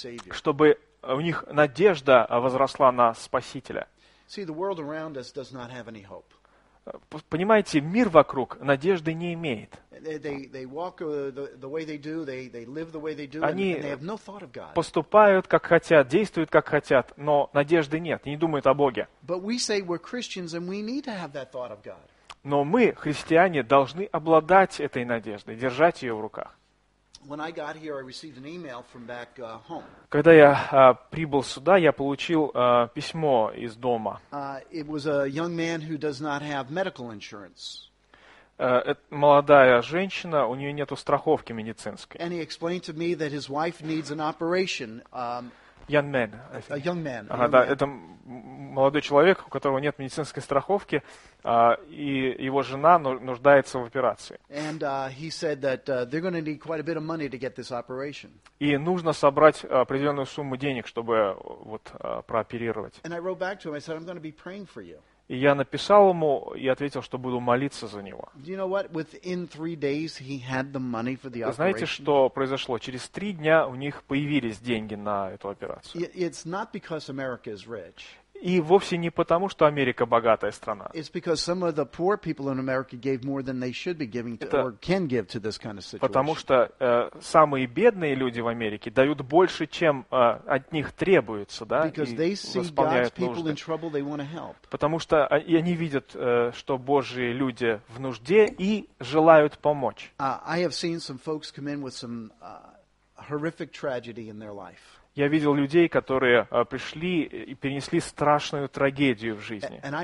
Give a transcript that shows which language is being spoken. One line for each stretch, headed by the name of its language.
Russian: Чтобы у них надежда возросла на Спасителя.
English: See, the world around us does not have any hope.
Russian: Понимаете, мир вокруг надежды не имеет.
English: They walk the way they do, they live the way they do,
Russian: они
English: and they have no thought of God.
Russian: Поступают как хотят, действуют как хотят, но надежды нет, не думают о Боге.
English: But we say we're Christians and we need to have that thought of God.
Russian: Но мы, христиане, должны обладать этой надеждой, держать ее в руках.
English: When I got here, I received an email from back home.
Russian: Когда я прибыл сюда, я получил письмо из дома.
English: It was a young man who does not have medical insurance.
Russian: Молодая женщина, у нее нету страховки медицинской.
English: And he explained to me that his wife needs an operation. Young man. A young man.
Russian: Да, это молодой человек, у которого нет медицинской страховки, и его жена нуждается в операции.
English: And he said that they're going to need quite a bit of money to get this operation.
Russian: И нужно собрать определенную сумму денег, чтобы вот прооперировать.
English: And I wrote back to him. I said I'm going to be praying for you.
Russian: И я написал ему и ответил, что буду молиться за него.
English: You know what? Within three days he had the money for the operation.
Russian: Знаете, что произошло? Через три дня у них появились деньги на эту операцию.
English: It's not because America is rich.
Russian: И вовсе не потому, что Америка богатая страна.
English: It's because some of the poor people in America gave more than they should be giving to, or can give to this kind of situation.
Russian: Потому что самые бедные люди в Америке дают больше, чем от них требуется, да,
English: because they see God's people in trouble, they want to help.
Russian: Потому что они видят, что Божьи люди в нужде и желают помочь.
English: I have seen some folks come in with some horrific tragedy in their life.
Russian: Я видел людей, которые пришли и перенесли страшную трагедию в жизни.